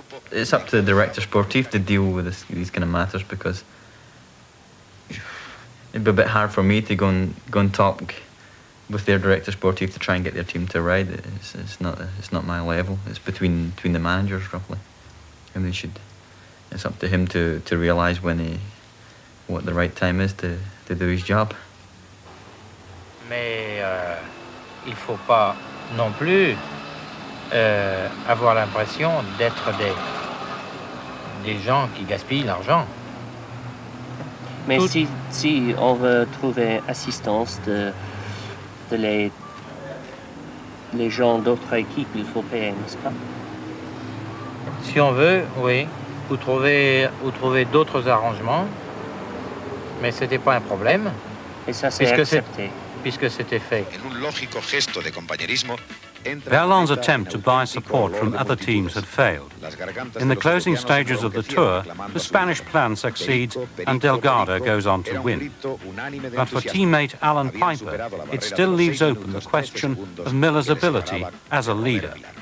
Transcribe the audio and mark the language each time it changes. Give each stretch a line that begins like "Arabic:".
English: It's up to the director sportif to deal with these kind of matters, because it'd be a bit hard for me to go and talk with their director sportif to try and get their team to ride. It's not my level. It's between the managers, roughly. And they should. It's up to him to realise what the right time is to do his job.
French: Mais il faut pas non plus avoir l'impression d'être des gens qui gaspillent l'argent. Mais si on veut trouver assistance de les gens d'autres équipes, il faut payer, n'est-ce pas? Si on veut, oui. Ou trouver d'autres arrangements. Mais ce n'était pas un problème. Et ça, c'est accepté. Puisque c'était fait. En un logique geste de compagnerisme,
English: Berland's attempt to buy support from other teams had failed. In the closing stages of the tour, the Spanish plan succeeds and Delgado goes on to win. But for teammate Alan Piper, it still leaves open the question of Miller's ability as a leader.